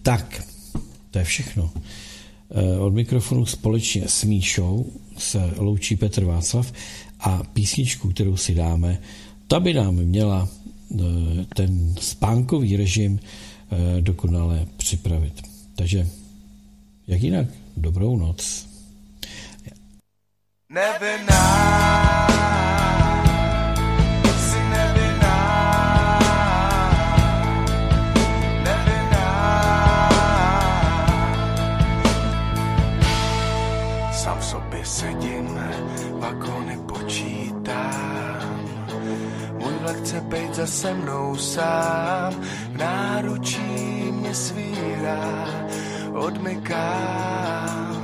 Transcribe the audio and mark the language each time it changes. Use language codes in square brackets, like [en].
[cs] Tak, to je všechno. Od mikrofonu společně s Míšou se loučí Petr Václav a písničku, kterou si dáme, ta by nám měla ten spánkový režim dokonale připravit. Takže, jak jinak, dobrou noc. [en] Never know, see never know, never know. [cs] Sám v sobě sedím, vagóny počítám, můj vlak chce bejt zase mnou sám, v náručí mě svírá, odmykám.